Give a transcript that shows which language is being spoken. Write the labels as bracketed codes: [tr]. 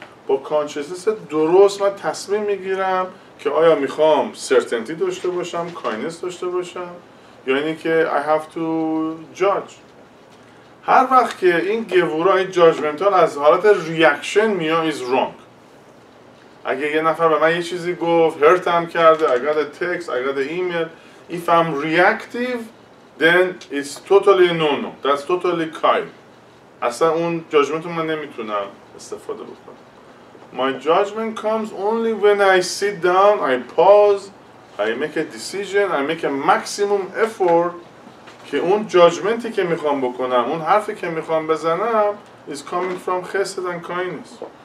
[fa] با consciousness درست من تصمیم میگیرم که آیا میخوام certainty داشته باشم، kindness داشته باشم، یا اینی که [en] I have to judge. [fa] هر وقت که این گورا، این judgmental از حالت reaction میاد [en] is wrong. [fa] اگه یه نفر به من یه چیزی گفت، hurtم کرده، [en] I got a text, I got an email. If I'm reactive, then it's totally no-no. That's totally kind. [fa] اصلا اون judgment رو من نمیتونم استفاده بکنم. [en] My judgment comes only when I sit down, I pause, I make a decision, I make a maximum effort [fa] که اون judgmenti که میخوام بکنم، اون حرفی که میخوام بزنم [en] is coming from chesed and kindness.